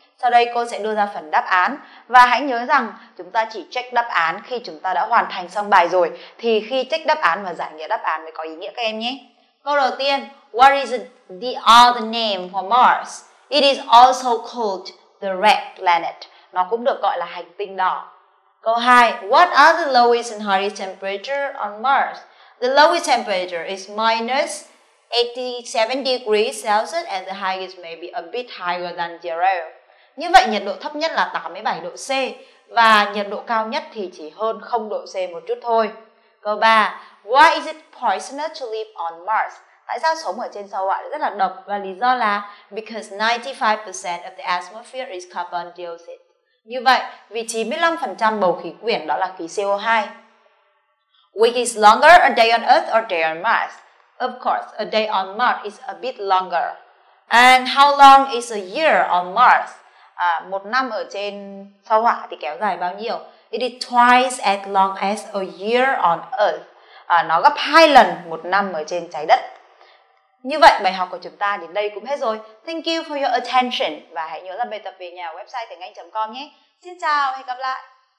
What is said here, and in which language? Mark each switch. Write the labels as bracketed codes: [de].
[vi] Sau đây cô sẽ đưa ra phần đáp án. Và hãy nhớ rằng chúng ta chỉ check đáp án khi chúng ta đã hoàn thành xong bài rồi. Thì khi check đáp án và giải nghĩa đáp án mới có ý nghĩa các em nhé. Câu đầu tiên, [en] what is the other name for Mars? It is also called the red planet. [vi] Nó cũng được gọi là hành tinh đỏ. Câu 2, [en] what are the lowest and highest temperature on Mars? The lowest temperature is minus 87 degrees Celsius and the highest may be a bit higher than zero. [vi] Như vậy nhiệt độ thấp nhất là 87 độ C và nhiệt độ cao nhất thì chỉ hơn 0 độ C một chút thôi. Câu 3, [en] why is it poisonous to live on Mars? [vi] Tại sao sống ở trên sao Hỏa rất là độc? Và lý do là [en] because 95% of the atmosphere is carbon dioxide. [vi] Như vậy, vì 95% bầu khí quyển đó là khí CO2. [en] Which is longer, a day on Earth or a day on Mars? Of course, a day on Mars is a bit longer. And how long is a year on Mars? [vi] Một năm ở trên sao Hỏa thì kéo dài bao nhiêu? [en] It is twice as long as a year on Earth. [vi] Nó gấp 2 lần một năm ở trên trái đất. Như vậy, bài học của chúng ta đến đây cũng hết rồi. [en] Thank you for your attention. [vi] Và hãy nhớ là bài tập về nhà website tiengang.com nhé. Xin chào, hẹn gặp lại.